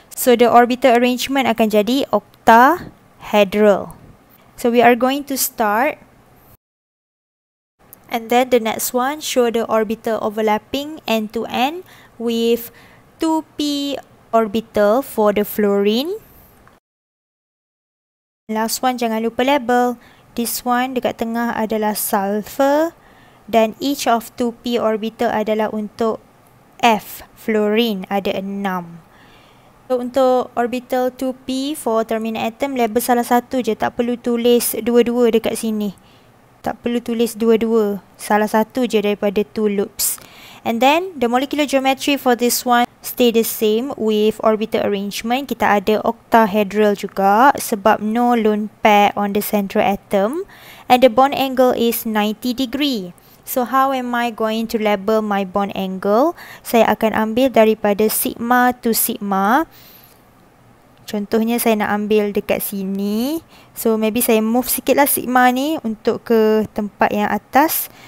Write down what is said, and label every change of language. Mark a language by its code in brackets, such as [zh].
[en] So, the orbital arrangement akan jadi octahedral. So, we are going to start. And then, the next one, show the orbital overlapping end to end with 2p orbital for the fluorine. Last one, [ms] jangan lupa label. [en] This one [ms] dekat tengah adalah sulfur. Dan [en] each of 2p orbital [ms] adalah untuk F, fluorine. Ada 6. So, untuk orbital 2p [en] for terminal atom, [ms] label salah satu je. Tak perlu tulis dua-dua dekat sini. Tak perlu tulis dua-dua. Salah satu je daripada 2 loops. [en] And then, the molecular geometry for this one stay the same with orbital arrangement. [ms] Kita ada octahedral juga sebab [en] no lone pair on the central atom. And the bond angle is 90 degree. So, how am I going to label my bond angle? [ms] Saya akan ambil daripada sigma to sigma. Contohnya, saya nak ambil dekat sini. So, maybe saya move sikitlah sigma ni untuk ke tempat yang atas.